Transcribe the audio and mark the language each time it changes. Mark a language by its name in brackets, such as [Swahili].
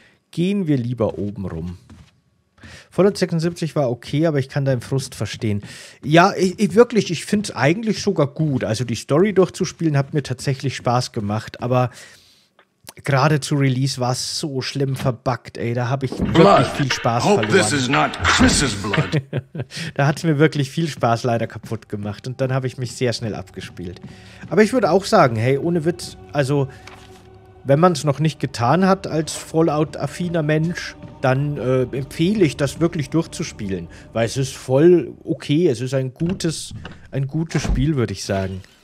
[German] Gehen wir lieber oben rum. Fallout 76 war okay, aber ich kann deinen Frust verstehen. Ja, ich finde es eigentlich sogar gut. Also die Story durchzuspielen hat mir tatsächlich Spaß gemacht, aber gerade zu Release war es so schlimm verbuggt, ey. Da habe ich wirklich viel Spaß verloren. [English] Hope this is not Chris's blood. [German] Da hat es mir wirklich viel Spaß leider kaputt gemacht und dann habe ich mich sehr schnell abgespielt. Aber ich würde auch sagen, hey, ohne Witz, also wenn man es noch nicht getan hat als Fallout-affiner Mensch, dann empfehle ich das wirklich durchzuspielen. Weil es ist voll okay. Es ist ein gutes Spiel, würde ich sagen.